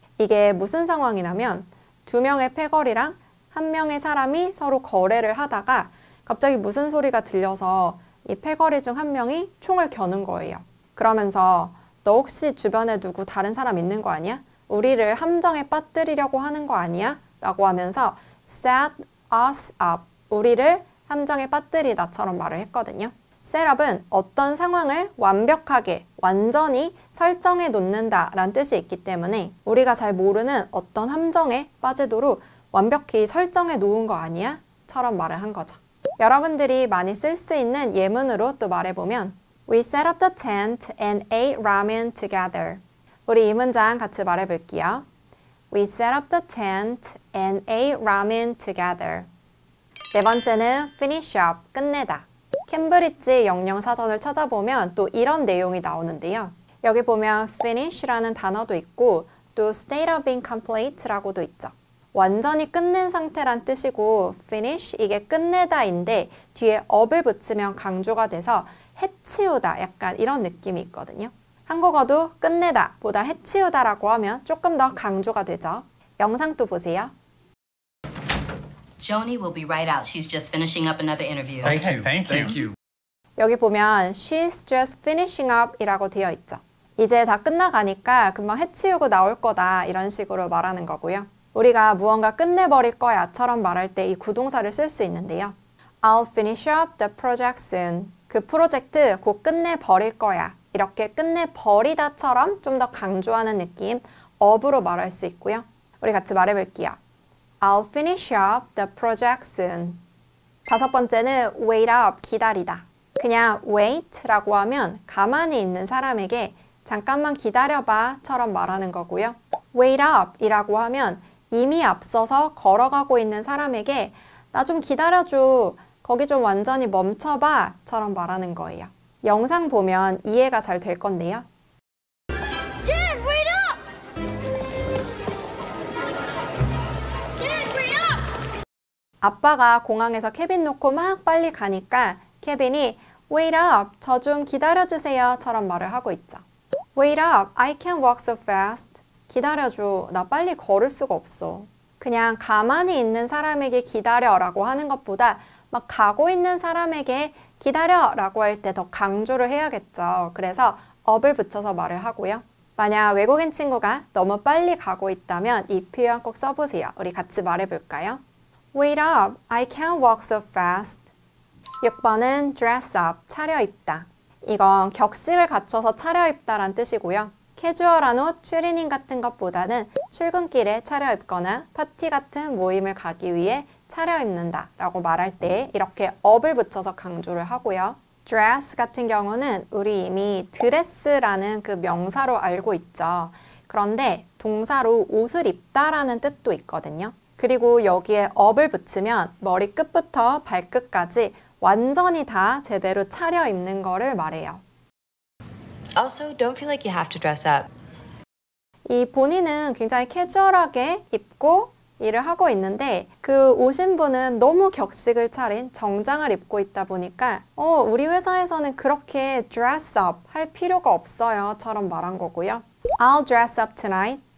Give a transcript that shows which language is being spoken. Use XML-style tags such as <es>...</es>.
<ko>이게 무슨 상황이냐면 두 명의 패거리랑 한 명의 사람이 서로 거래를 하다가 갑자기 무슨 소리가 들려서 이 패거리 중한 명이 총을 겨눈 거예요. 그러면서 너 혹시 주변에 누구 다른 사람 있는 거 아니야? 우리를 함정에 빠뜨리려고 하는 거 아니야? 라고 하면서</ko> <en>set us up.</en> <ko>우리를 함정에 빠뜨리다처럼 말을 했거든요. Setup은 어떤 상황을 완벽하게, 완전히 설정해 놓는다라는 뜻이 있기 때문에 우리가 잘 모르는 어떤 함정에 빠지도록 완벽히 설정해 놓은 거 아니야?처럼 말을 한 거죠. 여러분들이 많이 쓸수 있는 예문으로 또 말해보면</ko> <en>We set up the tent and ate ramen together.</en> <ko>우리 이 문장 같이 말해 볼게요.</ko> <en>We set up the tent and ate ramen together.</en> <ko>네 번째는 finish up, 끝내다. 캠브리지 영영 사전을 찾아보면 또 이런 내용이 나오는데요. 여기 보면 finish라는 단어도 있고 또</ko> <en>state of being complete</en> <ko>라고도 있죠. 완전히 끝낸 상태란 뜻이고 finish 이게 끝내다인데 뒤에 up을 붙이면 강조가 돼서 해치우다 약간 이런 느낌이 있거든요. 한국어도 끝내다 보다 해치우다 라고 하면 조금 더 강조가 되죠. 영상도 보세요.</ko> <en>Joni will be right out. She's just finishing up another interview. Thank you. Thank you. Thank you.</en> <ko>여기 보면</ko> <en>she's just finishing up</en> <ko>이라고 되어 있죠. 이제 다 끝나가니까 금방 해치우고 나올 거다 이런 식으로 말하는 거고요. 우리가 무언가 끝내버릴 거야 처럼 말할 때 이 구동사를 쓸 수 있는데요.</ko> <en>I'll finish up the project soon.</en> <ko>그 프로젝트 곧 끝내버릴 거야. 이렇게 끝내버리다처럼 좀 더 강조하는 느낌 up으로 말할 수 있고요. 우리 같이 말해볼게요.</ko> <en>I'll finish up the project soon.</en> <ko>다섯 번째는 wait up, 기다리다. 그냥 wait라고 하면 가만히 있는 사람에게 잠깐만 기다려봐 처럼 말하는 거고요. wait up이라고 하면 이미 앞서서 걸어가고 있는 사람에게 나 좀 기다려줘, 거기 좀 완전히 멈춰봐 처럼 말하는 거예요. 영상 보면 이해가 잘 될 건데요.</ko> <en>Dad, wait up! Dad, wait up!</en> <ko>아빠가 공항에서 케빈 놓고 막 빨리 가니까 케빈이 wait up, 저 좀 기다려주세요 처럼 말을 하고 있죠.</ko> <en>Wait up, I can't walk so fast.</en> <ko>기다려줘, 나 빨리 걸을 수가 없어. 그냥 가만히 있는 사람에게 기다려라고 하는 것보다 막 가고 있는 사람에게 기다려라고 할 때 더 강조를 해야겠죠. 그래서 up을 붙여서 말을 하고요. 만약 외국인 친구가 너무 빨리 가고 있다면 이 표현 꼭 써보세요. 우리 같이 말해볼까요?</ko> <en>Wait up, I can't walk so fast.</en> <ko>6번은 dress up, 차려입다. 이건 격식을 갖춰서 차려입다란 뜻이고요. 캐주얼한 옷, 추리닝 같은 것보다는 출근길에 차려입거나 파티 같은 모임을 가기 위해 차려입는다 라고 말할 때 이렇게 up을 붙여서 강조를 하고요. dress 같은 경우는 우리 이미 dress라는 그 명사로 알고 있죠. 그런데 동사로 옷을 입다 라는 뜻도 있거든요. 그리고 여기에 up을 붙이면 머리끝부터 발끝까지 완전히 다 제대로 차려입는 거를 말해요.</ko> <en>Also, don't feel like you have to dress up.</en> <ko>이 본인은 굉장히 캐주얼하게 입고 일을 하고 있는데 그 오신 분은 너무 격식을 차린 정장을 입고 있다 보니까 우리 회사에서는 그렇게 dress up 할 필요가 없어요 처럼 말한 거고요.</ko> <en>I'll dress up tonight.</en>